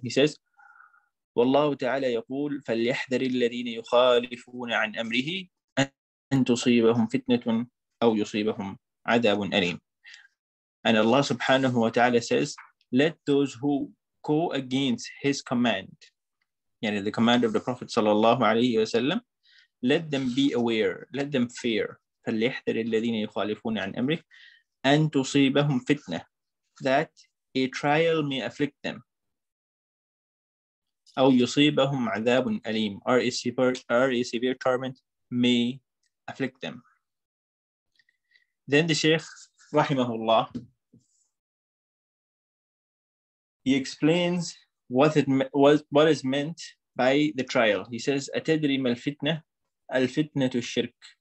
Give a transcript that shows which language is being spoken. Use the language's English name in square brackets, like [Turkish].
[English] He says, [Arabic] وَاللَّهُ تَعَالَى يَقُولُ فَلْيَحْذَرِ الَّذِينَ يُخَالِفُونَ عَنْ أَمْرِهِ أَنْ تُصِيبَهُمْ فِتْنَةٌ أَوْ يُصِيبَهُمْ عَذَابٌ أَلِيمٌ. [English] And Allah subhanahu wa ta'ala says, let those who go against his command, yani the command of the Prophet sallallahu alayhi wa sallam, let them be aware, let them fear. [Arabic] فَلْيَحْذَرِ الَّذِينَ يُخَالِفُونَ عَنْ أَمْرِهِ أَنْ تُصِيبَهُمْ فِتْنَةٌ, [English] that a trial may afflict them. [Arabic] أَوْ يُصِيبَهُمْ عَذَابٌ أَلِيمٌ, [English] or a severe torment may afflict them. Then the Shaykh, rahimahullah, he explains what is meant by the trial. He says, [Arabic] أَتَدْرِ مَا الْفِتْنَةُ الْفِتْنَةُ الشِّرْكُ.